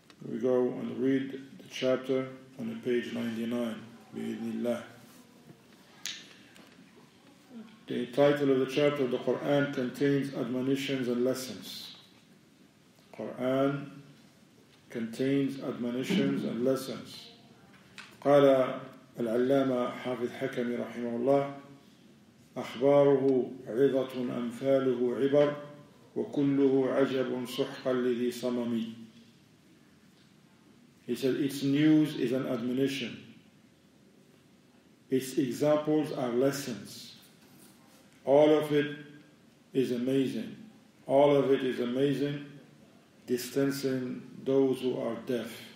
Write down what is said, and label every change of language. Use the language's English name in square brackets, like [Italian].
[English] We go and read the chapter on the page 99, bi-idhnillah. The title of the chapter of the Quran contains admonitions and lessons. Quran contains admonitions and lessons. [Arabic] قال العلامة حافظ حكمي رحمه الله أخباره عظة أمثاله عبر وكله عجب صحقا لذي صممي. [English] He said, its news is an admonition. Its examples are lessons. All of it is amazing. All of it is amazing, distancing those who are deaf.